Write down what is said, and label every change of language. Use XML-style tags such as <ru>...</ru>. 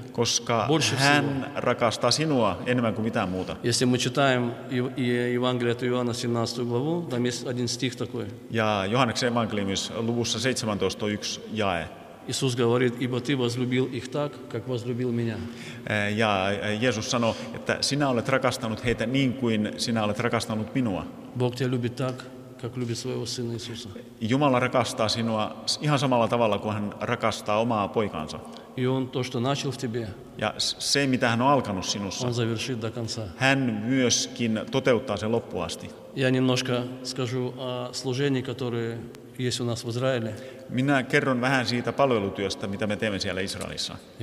<fi>Koska hän rakastaa sinua enemmän kuin mitään muuta.</fi> <ru>Если мы читаем Евангелие от Иоанна 17 главу, там есть один стих такой.</ru> <fi>Ja Johanneksen evankeliumissa luvussa 17 on yksi jae.</fi> <ru>Иисус говорит: «Ибо ты возлюбил их так, как возлюбил меня».</ru> <fi>Ja Jeesus sanoo, että sinä olet rakastanut heitä niin kuin sinä olet rakastanut minua.</fi> <ru>Бог тебя любит так, как любит своего сына Иисуса.</ru> <fi>Jumala rakastaa sinua ihan samalla tavalla kuin hän rakastaa omaa poikansa.</fi> <ru>И он то, что начал в тебе.</ru> <fi>Ja se, mitä hän on alkanut sinussa.</fi> <ru>Он завершит до конца.</ru> <fi>Hän myöskin toteuttaa sen loppuun asti.</fi> <ru>Я немножко скажу о служении, которое есть у нас в Израиле.</ru> <fi>Minä kerron vähän siitä palvelutyöstä, mitä me teemme siellä Israelissa.</fi>